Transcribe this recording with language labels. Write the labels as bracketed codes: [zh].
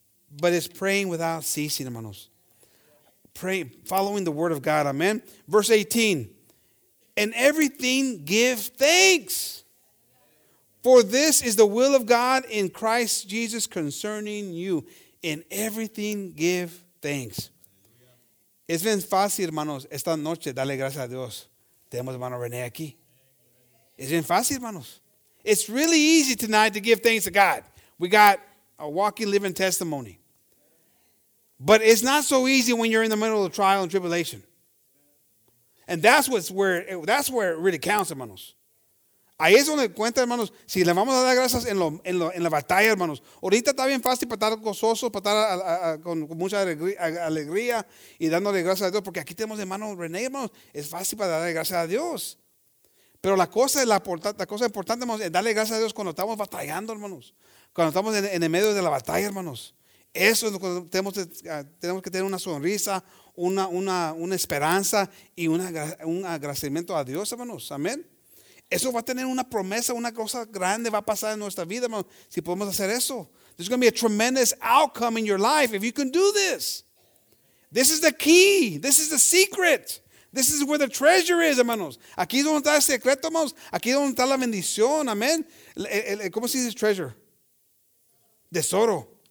[en] But it's praying without ceasing, hermanos. Praying, following the word of God. Amen. Verse 18. And everything give thanks. For this is the will of God in Christ Jesus concerning you. In everything give thanks. [es] Es bien fácil, hermanos, esta noche darle gracias a Dios. Tenemos hermano René aquí. Es bien fácil, hermanos. [en] It's really easy tonight to give thanks to God. We got a walking, living testimony. But it's not so easy when you're in the middle of trial and tribulation. And that's where it really counts, hermanos. [es] Ahí es donde cuenta, hermanos, si le vamos a dar gracias en la batalla, hermanos. Ahorita está bien fácil para estar gozosos, para estar con mucha alegría y dándole gracias a Dios. Porque aquí tenemos hermano René, hermanos. Es fácil para darle gracias a Dios. Pero la cosa importante, hermanos, es darle gracias a Dios cuando estamos batallando, hermanos. Cuando estamos en el medio de la batalla, hermanos. Eso es cuando tenemos que tener una sonrisa, una esperanza y un agradecimiento a Dios, hermanos. Amén. Eso va a tener una promesa, una cosa grande va a pasar en nuestra vida, hermanos, si podemos hacer eso. [en] There's going to be a tremendous outcome in your life if you can do this. This is the key. This is the secret. This is where the treasure is, hermanos. [es] Aquí es donde está el secreto, hermanos. Aquí es donde está la bendición. Amén. ¿Cómo se dice treasure? Tesoro.